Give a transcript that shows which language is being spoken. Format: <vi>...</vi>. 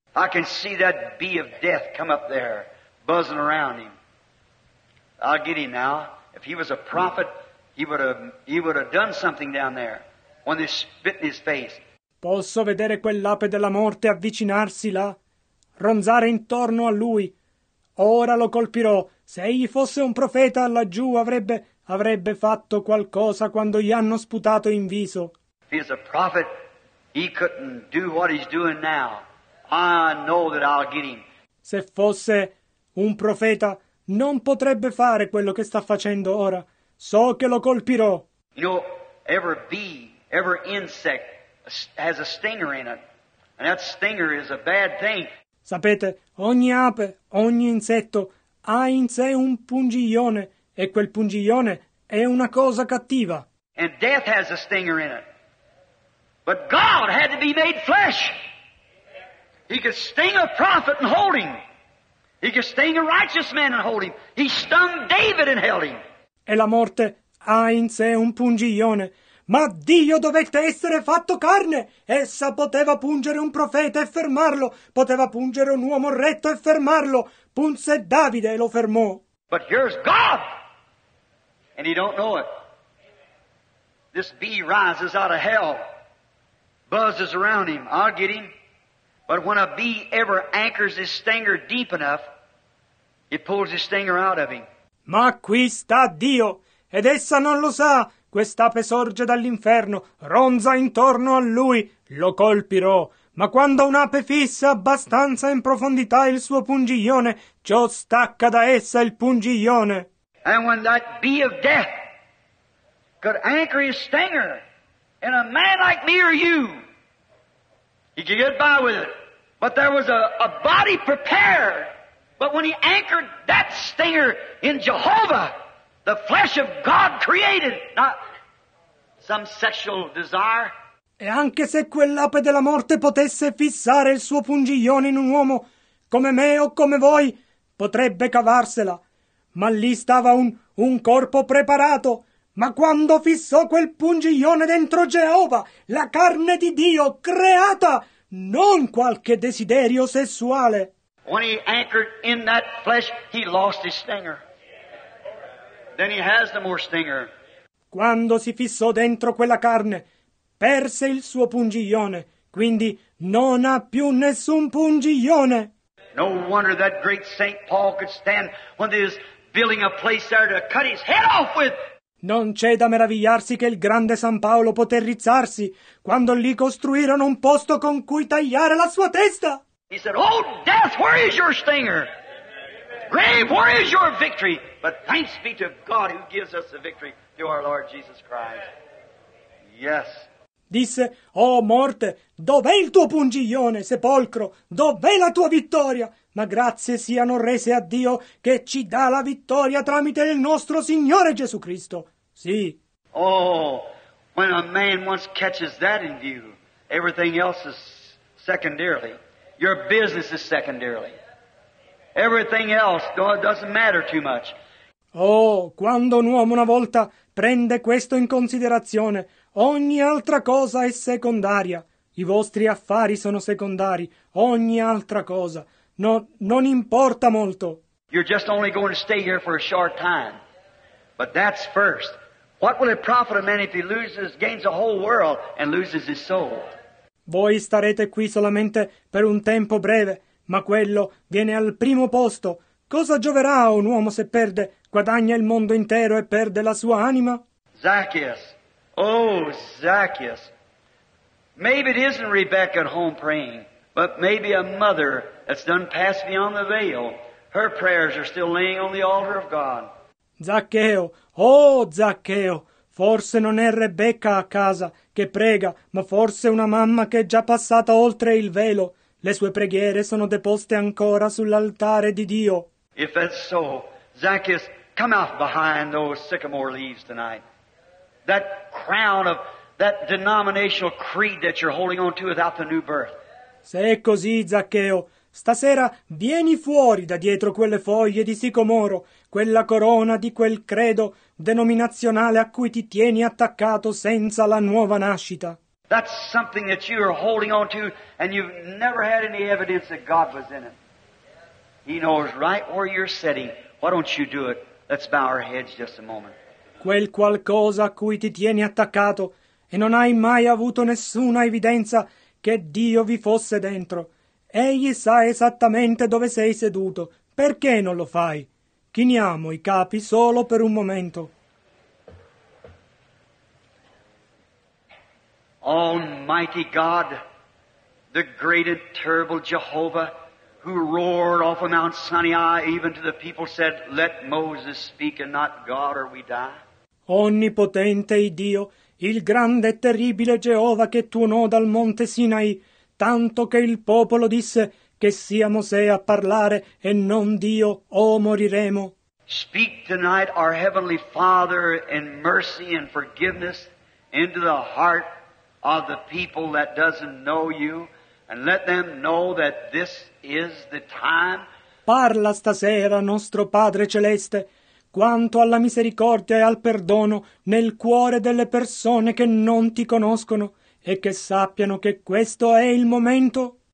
<en>I can see that bee of death come up there, buzzing around him. I'll get him now. If he was a prophet, he would have done something down there when they spit in his face.</en> <it>Posso vedere quell'ape della morte avvicinarsi là, ronzare intorno a lui. Ora lo colpirò. Se egli fosse un profeta laggiù, avrebbe fatto qualcosa quando gli hanno sputato in viso.</it> <en>If he's a prophet, he couldn't do what he's doing now. I know that I'll get him.</en> <it>Se fosse un profeta, non potrebbe fare quello che sta facendo ora. So che lo colpirò.</it> <en>You know, every bee, every insect has a stinger in it. And that stinger is a bad thing.</en> <it>Sapete, ogni ape, ogni insetto ha in sé un pungiglione, e quel pungiglione è una cosa cattiva.</it> <en>And death has a stinger in it. But God had to be made flesh. He could sting a prophet and hold him. He could sting a righteous man and hold him. He stung David and held him.</en> <it>E la morte ha in sé un pungiglione. Ma Dio dovette essere fatto carne. Essa poteva pungere un profeta e fermarlo. Poteva pungere un uomo retto e fermarlo. Punse Davide e lo fermò.</it> <en>But here's God. And he don't know it. This bee rises out of hell. Buzzes around him. I'll get him. But when a bee ever anchors his stinger deep enough, it pulls his stinger out of him.</en> <it>Ma qui sta Dio, ed essa non lo sa. Quest'ape sorge dall'inferno, ronza intorno a lui, lo colpirò. Ma quando un'ape fissa abbastanza in profondità il suo pungiglione, ciò stacca da essa il pungiglione.</it> <en>And when that bee of death could anchor his stinger in a man like me or you, he could get by with it. But there was a body prepared. But when he anchored that stinger in Jehovah, the flesh of God created, not some sexual desire.</en> <it>E anche se quell'ape della morte potesse fissare il suo pungiglione in un uomo come me o come voi, potrebbe cavarsela. Ma lì stava un corpo preparato. Ma quando fissò quel pungiglione dentro Geova, la carne di Dio creata, non qualche desiderio sessuale.</it> <en>When he anchored in that flesh, he lost his stinger. Then he has no more stinger.</en> <it>Quando si fissò dentro quella carne, perse il suo pungiglione, quindi non ha più nessun pungiglione.</it> <en>No wonder that great Saint Paul could stand when they was building a place there to cut his head off with.</en> <it>Non c'è da meravigliarsi che il grande San Paolo poté rizzarsi quando lì costruirono un posto con cui tagliare la sua testa.</it> <en>He said, "Oh death, where is your stinger? Grave, where is your victory? But thanks be to God who gives us the victory through our Lord Jesus Christ." Yes.</en> <it>Disse, "Oh morte, dov'è il tuo pungiglione, sepolcro? Dov'è la tua vittoria? Ma grazie siano rese a Dio che ci dà la vittoria tramite il nostro Signore Gesù Cristo." Sì.</it> <en>Oh, when a man once catches that in view, everything else is secondarily. Your business is secondarily. Everything else doesn't matter too much.</en> <it>Oh, quando un uomo una volta prende questo in considerazione, ogni altra cosa è secondaria. I vostri affari sono secondari. Ogni altra cosa. No, non importa molto.</it> <en>You're just only going to stay here for a short time. But that's first. What will it profit a man if he loses, gains the whole world and loses his soul?</en> <it>Voi starete qui solamente per un tempo breve, ma quello viene al primo posto. Cosa gioverà a un uomo se perde, guadagna il mondo intero e perde la sua anima?</it> <en>Zacchaeus. Oh, Zacchaeus. Maybe it isn't Rebecca at home praying, but maybe a mother that's done passed beyond the veil. Her prayers are still laying on the altar of God.</en> <it>Zaccheo. Oh, Zaccheo. Forse non è Rebecca a casa che prega, ma forse una mamma che è già passata oltre il velo. Le sue preghiere sono deposte ancora sull'altare di Dio.</it> <en>If that's so, Zacchaeus, come out behind those sycamore leaves tonight. That crown of that denominational creed that you're holding on to without the new birth.</en> <it>Se è così, Zaccheo, Stasera vieni fuori da dietro quelle foglie di sicomoro, quella corona di quel credo denominazionale a cui ti tieni attaccato senza la nuova nascita.</it> <en>That's something that you're holding on to and you've never had any evidence that God was in it. He knows right where you're sitting. Why don't you do it? Let's bow our heads just a moment.</en> <it>Quel qualcosa a cui ti tieni attaccato e non hai mai avuto nessuna evidenza che Dio vi fosse dentro. Egli sa esattamente dove sei seduto. Perché non lo fai? Chiniamo i capi solo per un momento.</it> <en>Almighty God, the great and terrible Jehovah, who roared off of Mount Sinai, even to the people said, let Moses speak and not God or we die.</en> <it>Onnipotente Dio, il grande e terribile Geova che tuonò dal monte Sinai, tanto che il popolo disse che sia Mosè a parlare e non Dio o moriremo.</it> <en>Speak tonight, our Heavenly Father, in mercy and forgiveness into the heart of the people that doesn't know you, and let them know that this is the time.</en> <it>Parla stasera, nostro Padre Celeste, quanto alla misericordia e al perdono nel cuore delle persone che non ti conoscono e che sappiano che questo è il momento.</it>